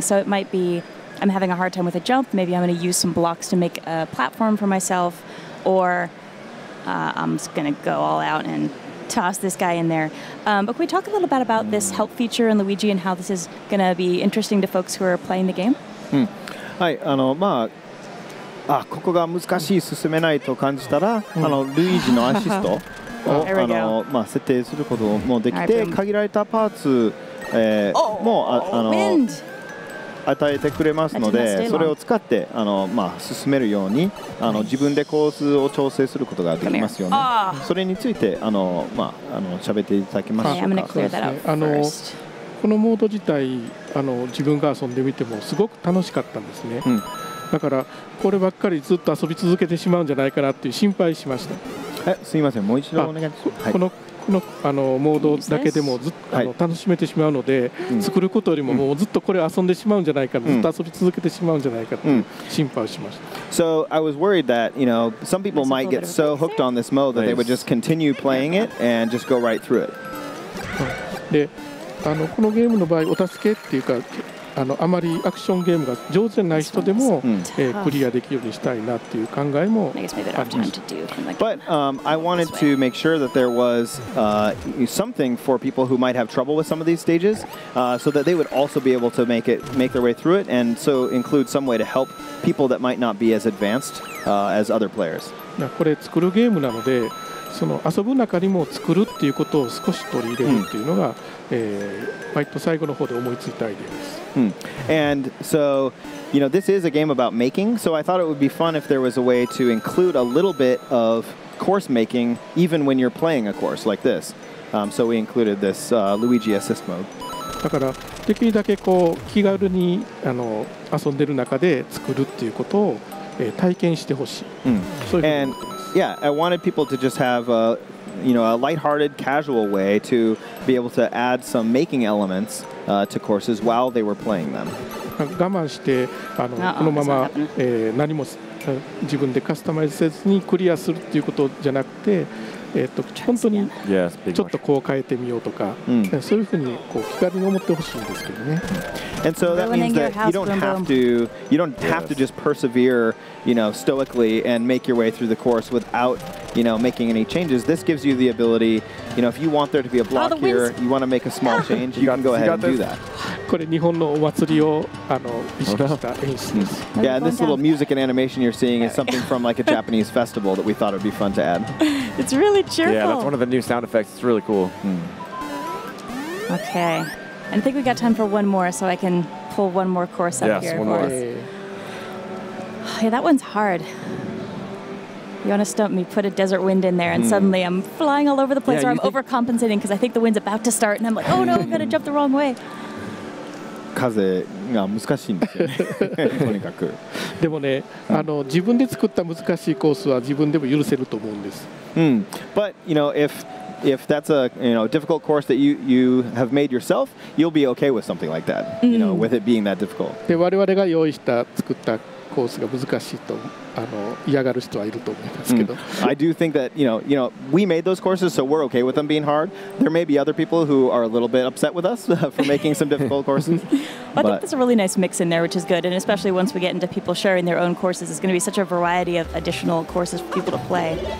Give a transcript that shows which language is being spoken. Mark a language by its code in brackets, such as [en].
[en] So it might be I'm having a hard time with a jump. Maybe I'm going to use some blocks to make a platform for myself. Or I'm just going to go all out and toss this guy in there. But can we talk a little bit about this help feature in Luigi and how this is going to be interesting to folks who are playing the game? [ja] はい、まあ、ここが難しい、進めないと感じたら、ルイージのアシストを、まあ、設定することもできて、限られたパーツ、も、与えてくれますので、それを使って、まあ、進めるように、自分でコースを調整することができますよね。それについて、まあ、喋っていただけますか。 [en] Okay, [ja] そうですね。このモード自体、自分が遊んでみてもすごく楽しかったんですね。だからこればっかりずっと遊び続けてしまうんじゃないかなっていう心配しました。すいません、もう一度お願いします。はい、このモードだけでもずっと楽しめてしまうので、作ることよりももうずっとこれ遊んでしまうんじゃないか、ずっと遊び続けてしまうんじゃないかと心配しました。 [en] So I was worried that, some people might get so hooked on this mode that they would just continue playing it and just go right through it. [ja] で、このゲームの場合、お助けっていうか、あまりアクションゲームが上手でない人でも、クリアできるようにしたいなっていう考えもあります。 [en] But I wanted to make sure that there was something for people who might have trouble with some of these stages, so that they would also be able to make their way through it, and so include some way to help people that might not be as advanced as other players. [ja] これ作るゲームなので、その遊ぶ中にも作るっていうことを少し取り入れるっていうのが、バイト最後の方で思いついたアイデアです。 [en] And so, you know, this is a game about making, so I thought it would be fun if there was a way to include a little bit of course making even when you're playing a course like this. So we included this Luigi assist mode. [ja] だからできるだけこう気軽にあの遊んでる中で作るっていうことを、体験してほしい。 Mm. そういうふうに思ってます。 [en] Yeah, I wanted people to just have a, you know, a lighthearted, casual way to be able to add some making elements to courses while they were playing them. [ja] 我慢してあの、このまま、何も自分でカスタマイズせずにクリアするっていうことじゃなくて、本当にちょっとこう変えてみようとか、そういうふうにこう気軽に思ってほしいんですけどね。 [en] And so that means that you don't have to, you don't have to just persevere, you know, stoically and make your way through the course without, you know, making any changes. This gives you the ability, you know, if you want there to be a block here, you want to make a small change, you can go ahead and do that. [ja] これ日本のお祭りをあの意識した演出です。 [en] Yeah, and this little music and animation you're seeing is something from like a Japanese festival that we thought would be fun to add. It's really cheerful. Yeah, that's one of the new sound effects. It's really cool. Mm. Okay. I think we got time for one more, so I can pull one more course up here. Yes, one more. Yeah, that one's hard. You want to stump me, put a desert wind in there, and suddenly I'm flying all over the place, or I'm overcompensating because I think the wind's about to start, and I'm like, oh no, I'm going to jump the wrong way. [ja] 風が難しいんですよね、とにかく。でもね、あの、自分で作った難しいコースは自分でも許せると思うんです。 [en] But, you know, if that's a you know difficult course that you have made yourself, you'll be okay with something like that, you know, with it being that difficult. [ja] で、我々が用意した作ったコースが難しいとあの嫌がる人はいると思いますけど。 [en] I do think that you know we made those courses, so we're okay with them being hard. There may be other people who are a little bit upset with us for making some difficult courses. But I think there's a really nice mix in there, which is good, and especially once we get into people sharing their own courses, it's going to be such a variety of additional courses for people to play.